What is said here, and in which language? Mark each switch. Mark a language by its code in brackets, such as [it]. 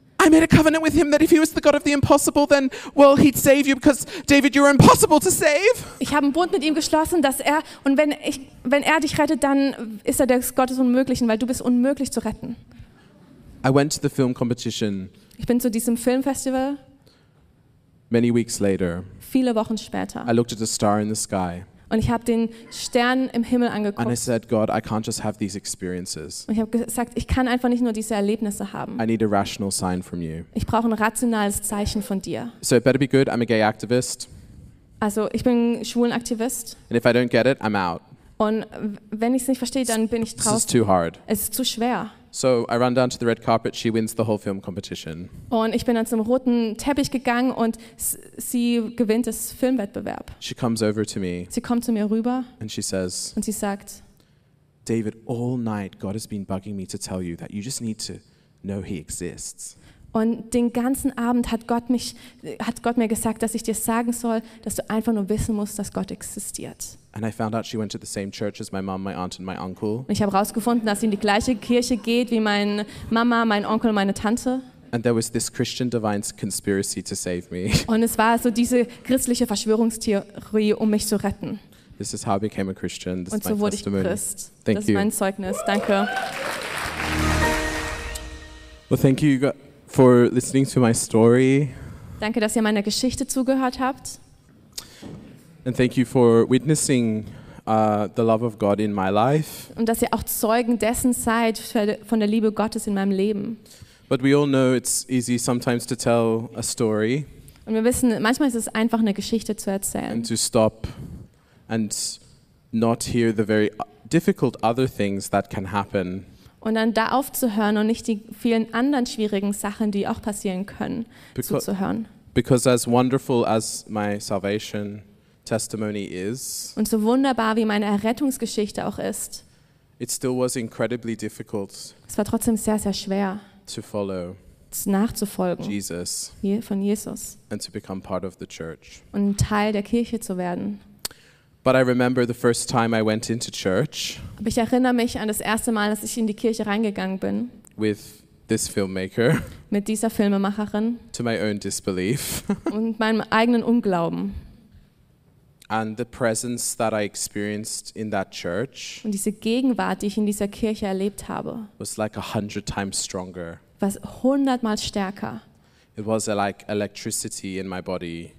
[en] I made a covenant with him that if he was the God of the impossible, then well, he'd save you because David, you're impossible to save. [de] Ich habe einen Bund mit ihm geschlossen, dass er und wenn er dich rettet, dann ist er der Gott des Unmöglichen, weil du bist unmöglich zu retten. [en] I went to the film competition. [de] Ich bin zu diesem Filmfestival. [en] Many weeks later. [de] Viele Wochen später. [en] I looked at a star in the sky. [de] Und ich habe den Stern im Himmel angeguckt. [en] And I said, "God, I can't just have these experiences." [de] Und ich habe gesagt, ich kann einfach nicht nur diese Erlebnisse haben. [en] I need a rational sign from you. [de] Ich brauche ein rationales Zeichen von dir. [en] So it better be good. I'm a gay activist. [de] Also ich bin schwulen Aktivist. [en] And if I don't get it, I'm out. [de] Und wenn ich es nicht verstehe, dann bin ich draußen. [en] This is too hard. [de] Es ist zu schwer. [en] So I run down to the red carpet, she wins the whole film competition. [de] Und ich bin dann zum roten Teppich gegangen und sie gewinnt das Filmwettbewerb. [en] She comes over to me. [de] Sie kommt zu mir rüber. [en] And she says. [de] Und sie sagt. [en] David, all night God has been bugging me to tell you that you just need to know he exists. [de] Und den ganzen Abend hat Gott mir gesagt, dass ich dir sagen soll, dass du einfach nur wissen musst, dass Gott existiert. [en] And I found out she went to the same church as my mom, my aunt and my uncle. [de] Ich habe rausgefunden, dass sie in die gleiche Kirche geht wie meine Mama, mein Onkel und meine Tante. [en] And there was this Christian Divine's conspiracy to save me. [de] Und es war so diese christliche Verschwörungstheorie, um mich zu retten. [en] This is how I became a Christian. This [de] und [en] is my [de] so wurde [en] testimony. [de] Ich Christ. Thank das you. Ist mein Zeugnis. Danke. [en] Well, thank you for listening to my story. [de] Danke, dass ihr meiner Geschichte zugehört habt. [en] And thank you for witnessing the love of God in my life. [de] Und dass ihr auch Zeugen dessen seid von der Liebe Gottes in meinem Leben. [en] But we all know it's easy sometimes to tell a story. [de] Und wir wissen, manchmal ist es einfach, eine Geschichte zu erzählen. [en] And to stop and not hear the very difficult other things that can happen. [de] Und dann da aufzuhören und nicht die vielen anderen schwierigen Sachen, die auch passieren können, zuzuhören. [en] Because as wonderful as my salvation testimony is. [de] Und so wunderbar wie meine Errettungsgeschichte auch ist. [en] It still was incredibly difficult. [de] Es war trotzdem sehr, sehr schwer. [en] To follow. [de] Nachzufolgen. [en] Jesus. [de] Von Jesus. [en] And to become part of the church. [de] Und Teil der Kirche zu werden. [en] But I remember the first time I went into church. [de] Aber ich erinnere mich an das erste Mal, dass ich in die Kirche reingegangen bin. [en] With this filmmaker. [de] Mit dieser Filmemacherin. [en] To my own disbelief. [de] Und meinem eigenen Unglauben. [en] And the presence that I experienced in that church. [de] Und diese Gegenwart, die ich in dieser Kirche erlebt habe. [en] Was like 100 times stronger. [de] Was 100 mal stärker. [en] It was like electricity in my body.